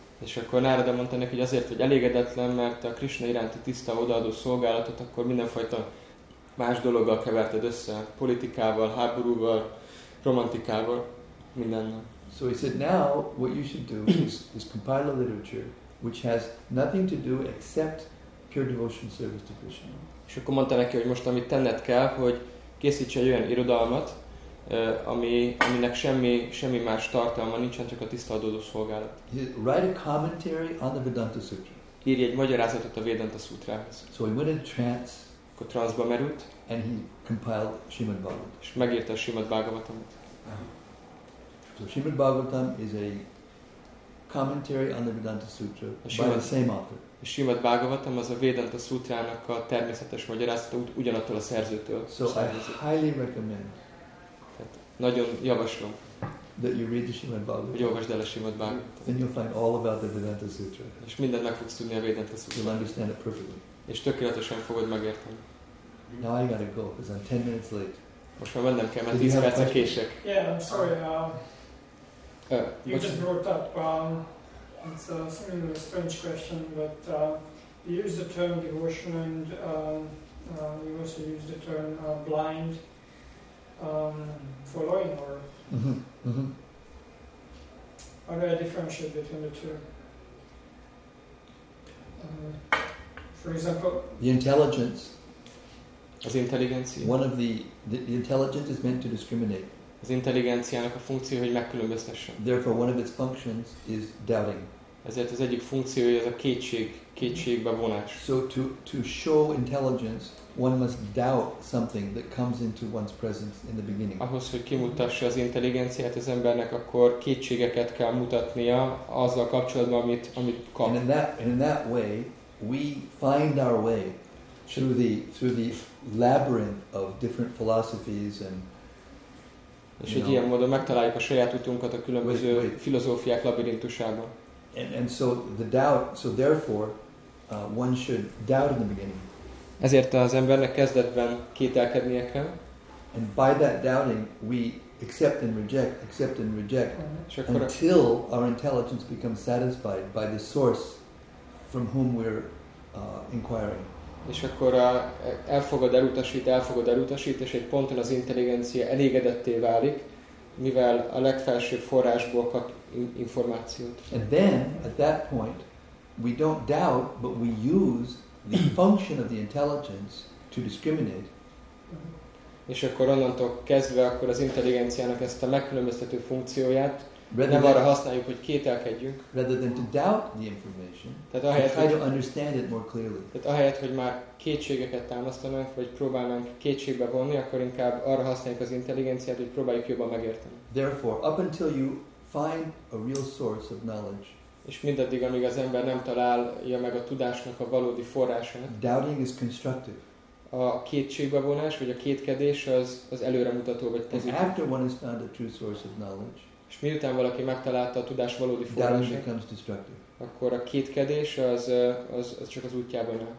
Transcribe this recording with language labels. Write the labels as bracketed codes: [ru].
[hu] És akkor Narada mondta neki, hogy azért, hogy elégedetlen, mert a Krishna iránti tiszta odaadó szolgálatot, akkor mindenfajta más dologgal keverted össze, politikával, háborúval, romantikával, mindennel. [en] So he said, now what you should do is compile a literature which has nothing to do except pure devotion service to Krishna. [hu] És akkor mondta neki, hogy most amit tenned kell, hogy készíts egy olyan irodalmat, aminek semmi más tartalma nincsen, csak a tiszta adódó szolgálat. [en] He said, write a commentary on the Vedanta Sutra. [hu] Írj egy magyarázatot a Vedanta Sutrához. [en] So he went in trance. [hu] Akkor transzba merült, [en] and he compiled Srimad Bhagavatam. [hu] És megírta a Srimad Bhagavatamot. [en] So Srimad Bhagavatam is a commentary on the Vedanta Sutra by the same author. [hu] A Srimad Bhagavatam az a Vedanta Sutrának a természetes magyarázata ugyanattól a szerzőtől. [en] So I highly recommend. [hu] Tehát nagyon javaslom. [en] That you read the Srimad Bhagavatam. Then you'll find all about the Vedanta Sutra. [hu] És mindent meg fogsz tudni a Vedanta Sutra. [en] You'll understand it perfectly. [hu] És tökéletesen fogod megérteni. [en] Now I gotta go, because I'm 10 minutes late. [hu] Most már mennem kell, mert 10 percre kések. [en] Yeah, I'm sorry. You just brought up, it's a similar strange question, but you use the term devotion and you also use the term blind following or... Mm-hmm. Are there a differentiate between the two? For example, the intelligence. [hu] Az intelligencia. [en] One of the intelligence is meant to discriminate. [hu] Az intelligenciának a funkció, hogy megkülönböztessen. [en] Therefore, one of its functions is doubting. [hu] Ezért az egyik funkciója az a kétségbe vonás. [en] So to show intelligence, one must doubt something that comes into one's presence in the beginning. [hu] Ahhoz, hogy kimutassa az intelligenciát az embernek, akkor kétségeket kell mutatnia azzal kapcsolatban, amit kap. [en] In that way, we find our way through the labyrinth of different philosophies and [hu] és egy ilyen módon megtaláljuk a saját utunkat a különböző filozófiák labirintusában. [en] And so the doubt, so therefore one should doubt in the beginning. [hu] Ezért az embernek kezdetben kételkednie kell. [en] And by that doubting we accept and reject until our intelligence becomes satisfied by the source from whom we're inquiring. [hu] És akkor elfogad, elutasít, és egy ponton az intelligencia elégedetté válik, mivel a legfelsőbb forrásból kap információt. [en] And then, at that point, we don't doubt, but we use the function of the intelligence to discriminate. [hu] És akkor onnantól kezdve, akkor az intelligenciának ezt a megkülönböztető funkcióját nem arra használjuk, hogy kételkedjünk. [en] Rather than to doubt the information, try to understand it more clearly. [hu] Tehát ahelyett, hogy már kétségeket támasztanak, vagy próbálnánk kétségbe vonni, akkor inkább arra használjuk az intelligenciát, hogy próbáljuk jobban megérteni. [en] Therefore, up until you find a real source of knowledge, [hu] és mindaddig, amíg az ember nem találja meg a tudásnak a valódi forrását, [en] doubting is constructive. [hu] A kétségbe vonás, vagy a kétkedés az előremutató, vagy pozitív. [en] After one has found a true source of knowledge, [hu] és miután valaki megtalálta a tudás valódi forrását, akkor a kétkedés az csak az útjában áll.